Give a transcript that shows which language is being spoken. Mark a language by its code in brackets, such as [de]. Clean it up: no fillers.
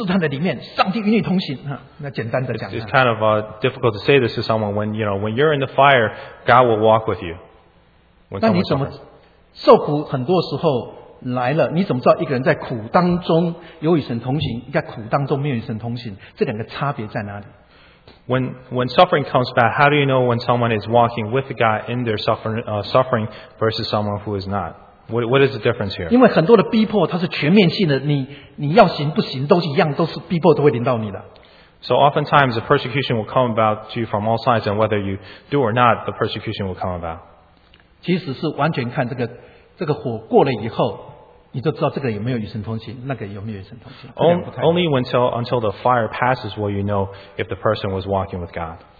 [zh] 尤其别人受苦的时候，你在火炼的试探的里面，上帝与你同行，那简单的讲。 [en] It's kind of difficult to say this to someone when you're in the fire, God will walk with you. [zh] 那你怎么受苦？很多时候来了，你怎么知道一个人在苦当中有与神同行，在苦当中没有与神同行？这两个差别在哪里？ [en] When suffering comes back, how do you know when someone is walking with God in their suffering versus someone who is not? What is the difference here? [zh] 因为很多的逼迫,它是全面性的,你要行不行,都是一样,都是逼迫都会临到你的。 [en] So oftentimes the persecution will come about to you from all sides, and whether you do or not, the persecution will come about. [zh] 其实是完全看这个火过了以后, 你就知道这个有没有与神同行，那个有没有与神同行。 [en] Only until the fire passes will you know if the person was walking with God.